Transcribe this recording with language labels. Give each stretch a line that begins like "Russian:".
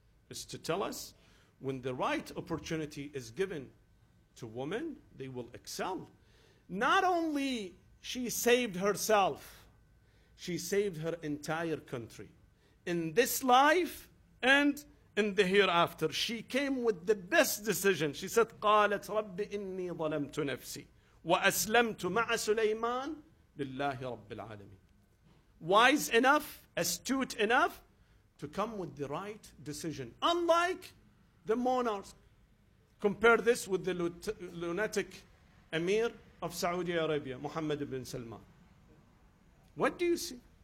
English: It's to tell us, when the right opportunity is given to women, they will excel. Not only she saved herself, she saved her entire country. In this life and in the hereafter, she came with the best decision. She said,
Arabic: قَالَتْ رَبِّ إِنِّي ظَلَمْتُ نَفْسِي وَأَسْلَمْتُ مَعَ سُلَيْمَانَ لِلَّهِ رَبِّ الْعَالَمِينَ.
English: Wise enough, astute enough to come with the right decision. Unlike the monarch. Compare this with the lunatic emir of Saudi Arabia, Muhammad ibn Salman. What do you see?